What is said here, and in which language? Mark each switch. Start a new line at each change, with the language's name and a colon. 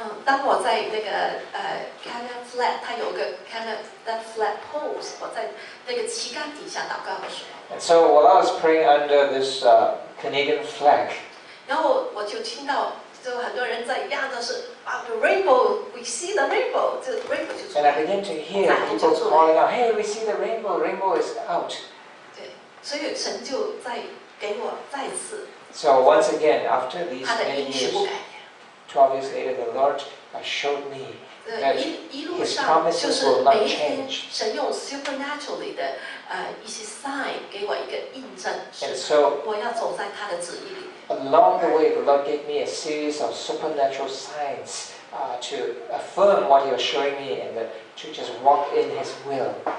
Chinese: 当我在那个Canon Flat， 它有个 Canon Flat Poles， 我在那个旗杆底下祷告的时候。
English: And so while I was praying under this Canadian flag，
Chinese: 然后我就听到就很多人在压的是啊 ，
English: the rainbow， we see the rainbow，
Chinese: 这 rainbow 就出来。
English: And I began to hear people calling out， hey， we see the rainbow， rainbow is out。
Chinese: 对，所以神就在给我再次。
English: So once again， after these many years。 12 years later, the Lord showed me that His promises will not change.
Chinese: 神用 supernaturally 的一些 sign 给我一个印证，是我要走在他的旨意里。
English: Along the way, the Lord gave me a series of supernatural signs to affirm what He was showing me and to just walk in His will.